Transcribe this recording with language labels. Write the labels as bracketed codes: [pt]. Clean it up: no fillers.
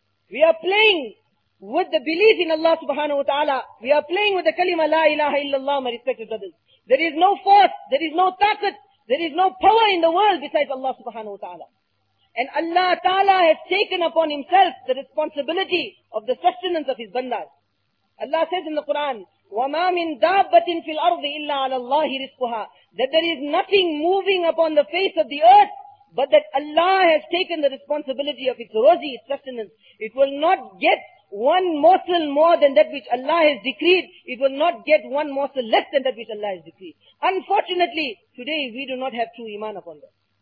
[en] We are playing with the belief in Allah subhanahu wa ta'ala. We are playing with the kalima la ilaha illallah, my respected brothers. There is no force, there is no taqat, there is no power in the world besides Allah subhanahu wa ta'ala. And Allah ta'ala has taken upon himself the responsibility of the sustenance of his bandas. Allah says in the Quran, [ar] وَمَا مِن دَابَّةٍ فِي الْأَرْضِ إِلَّا عَلَى اللَّهِ رِزْقُهَا. [en] That there is nothing moving upon the face of the earth, but that Allah has taken the responsibility of its rozi, its sustenance. It will not get one morsel more than that which Allah has decreed. It will not get one morsel less than that which Allah has decreed. Unfortunately, today we do not have true iman upon that.